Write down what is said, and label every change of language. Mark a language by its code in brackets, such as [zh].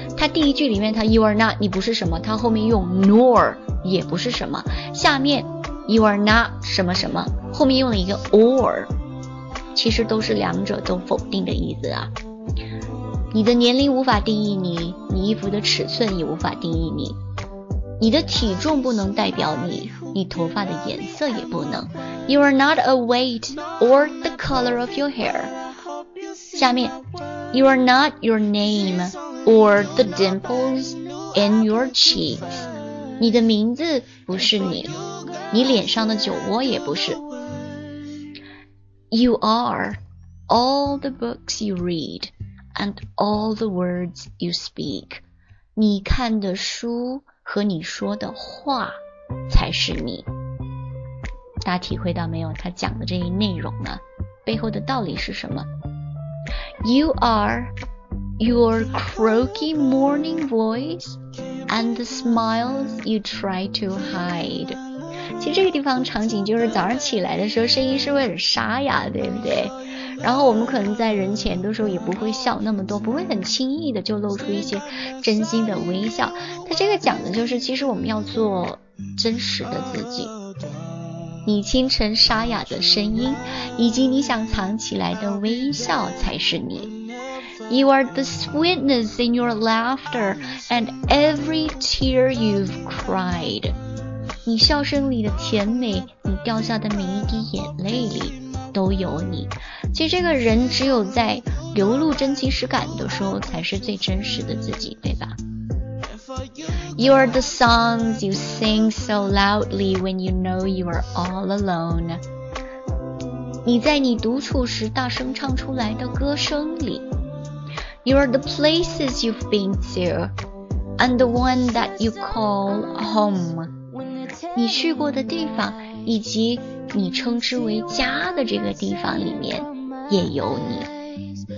[zh] 它第一句里面它 [en] you are not， [zh] 你不是什么，它后面用 nor 也不是什么，下面 you are not 什么什么，后面用了一个 or， 其实都是两者都否定的意思啊。你的年龄无法定义你，你衣服的尺寸也无法定义你。你的体重不能代表你，你头发的颜色也不能。 [en] You are not a weight or the color of your hair. 下面 ，You are not your name or the dimples in your cheeks. [zh] 你的名字不是你，你脸上的酒窝也不是。 [en] You are all the books you read and all the words you speak. [zh] 你看的书和你说的话才是你，大家体会到没有？他讲的这一内容呢，背后的道理是什么 [en] ？You are your croaky morning voice and the smiles you try to hide。 [zh] 其实这个地方场景就是早上起来的时候，声音是会很沙哑，对不对？然后我们可能在人前的时候也不会笑那么多，不会很轻易的就露出一些真心的微笑。他这个讲的就是，其实我们要做真实的自己。你清晨沙哑的声音，以及你想藏起来的微笑才是你。 [en] You are the sweetness in your laughter and every tear you've cried。 [zh] 你笑声里的甜美，你掉下的每一滴眼泪里都有你。其实这个人只有在流露真情实感的时候才是最真实的自己，对吧？ [en] You are the songs you sing so loudly when you know you are all alone. [zh] 你在你独处时大声唱出来的歌声里。 [en] You are the places you've been to and the one that you call home. [zh] 你去过的地方以及你称之为家的这个地方里面也有你。